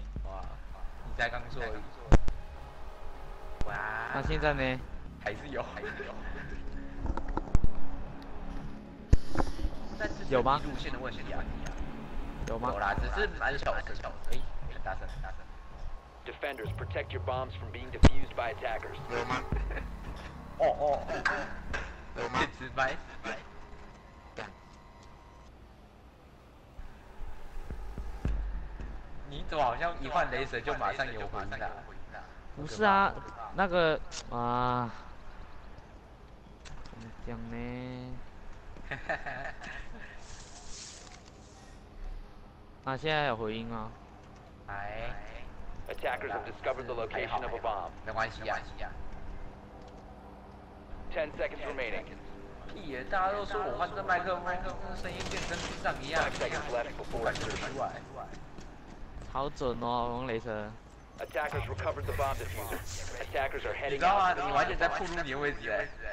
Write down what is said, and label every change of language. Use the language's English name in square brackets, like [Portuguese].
[Chinese] 哇，你在刚说。哇。那现在呢？还是有，还是有。有吗？路线的问题啊，有吗？有啦，只是蛮小的，小的，哎，很大声，很大声。 [English] Defenders, protect your bombs from being defused by attackers. [Chinese] 有吗？哦哦，有吗？直白。你怎么好像一换雷神就马上有回应了？不是啊，那个啊，怎么讲呢？那现在有回应吗？哎。 [English] Attackers have discovered the location of a bomb. [Chinese] 没关系呀。 [English] Ten seconds remaining. [Chinese] 屁耶！大家都说我换这麦克风，跟声音变成智障一样。 [English] Five seconds left before it goes away. [Chinese] 好准哦，龙雷神。 [English] Attackers recovered the bomb defuser. Attackers are heading out. [Chinese] 你知道吗？你完全在暴露你的位置哎。